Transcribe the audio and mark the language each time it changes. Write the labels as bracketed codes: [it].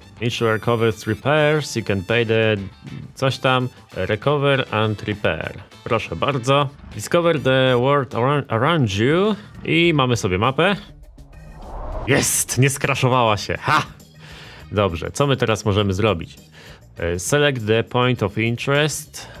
[en] Insure covers repairs, you can pay the... [pl] coś tam. [en] Recover and repair. [pl] Proszę bardzo. [en] Discover the world around you. [pl] I mamy sobie mapę. Jest! Nie skraszowała się! Ha! Dobrze, co my teraz możemy zrobić? [en] Select the point of interest.